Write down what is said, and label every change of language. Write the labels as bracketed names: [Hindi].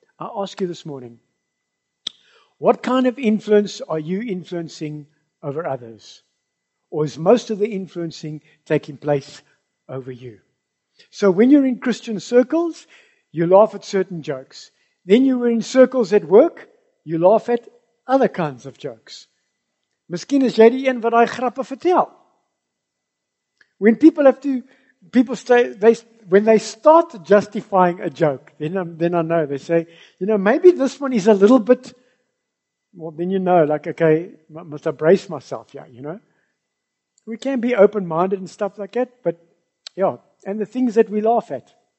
[English] I ask you this morning, what kind of influence are you influencing over others? Or is most of the influencing taking place over you? So when you're in Christian circles, you laugh at certain jokes. Then you were in circles at work, you laugh at other kinds of jokes. [Afrikaans] Miskien is jy die een wat daai grappe vertel. [English] When people have to, people say, when they start justifying a joke, then I know, they say, you know, maybe this one is a little bit, well, then you know, like, okay, must I brace myself, yeah, you know. We can be open-minded and stuff like that, but, yeah, and the things that we laugh at.